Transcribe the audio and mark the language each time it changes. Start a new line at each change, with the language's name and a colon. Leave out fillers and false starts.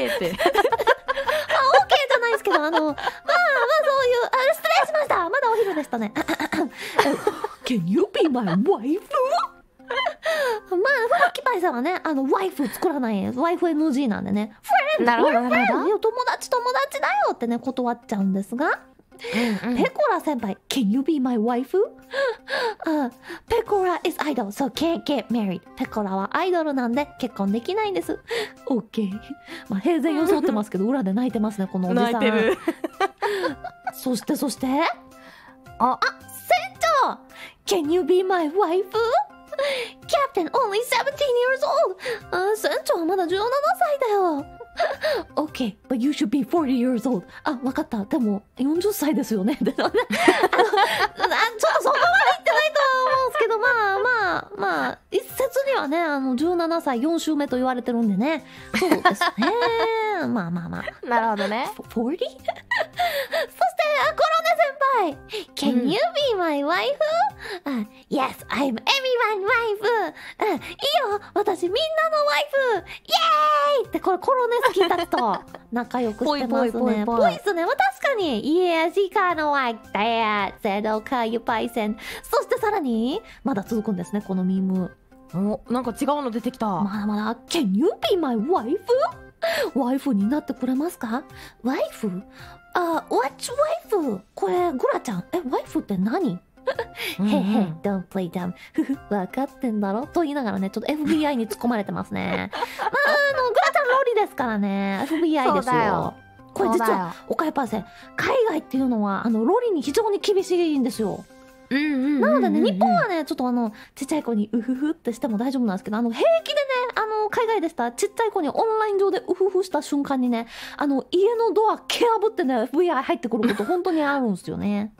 Japanese: まぁ、OK じゃないですけど、まぁ、あ、まぁ、あ、そういう、あ、失礼しました、まだお昼でしたね。
English: Can you be my wife?
Japanese: まあ、フラッキパイさんはね、ワイフ作らない、ワイフ NG なんでね。フレンド、フレンド、友達だよってね、断っちゃうんですが。
English: ペコラ先輩、Can you be my wife? ペコラ is idol, so can't get married.
Japanese: ペコラはアイドルなんで結婚できないんです。
English: OK。
Japanese: まあ、平然装ってますけど、裏で泣いてますね、このおじさん。泣いてる。そして、あ、船長、
English: Can you be my wife? Captain only 17 years old!
Japanese: 船長はまだ17歳だよ。
English: OK, but you should be 40 years old.
Japanese: あ、わかった。でも、40歳ですよね。ちょっとそこまで言ってないと思うんですけど、まあまあまあ、一説にはね、17歳4週目と言われてるんでね。そうですね。まあまあまあ。なるほどね。 40? そして、コロネ先輩。
English: Can you be my wife?、うん、yes, I'm everyone's wife.、
Japanese: いいよ、私みんなのワイフ。イェーイって、これコロネ好きだと仲良くしてますね。ぽいっすね。まあ確かに。
English: Yes, he kinda like that. Said, okay, you Python.
Japanese: そしてさらに、まだ続くんですね、このミーム。お、なんか違うの出てきた。まだまだ。
English: Can you be my wife?
Japanese: ワイフになってくれますか。ワイフ、あ、
English: What's wife?
Japanese: これ、グラちゃん。え、ワイフって何。
English: へへ、Don't play dumb.
Japanese: わかってんだろと言いながらね、ちょっと FBI に突っ込まれてますね。まあ、グラちゃんロリですからね。FBI ですよ。そうだよ。これ実は、おかゆパーセン、海外っていうのは、ロリに非常に厳しいんですよ。なのでね、日本はね、ちょっとちっちゃい子にウフフってしても大丈夫なんですけど、平気でね、海外でした、ちっちゃい子にオンライン上でウフフした瞬間にね、家のドア蹴破ってね、FBI 入ってくること本当にあるんですよね。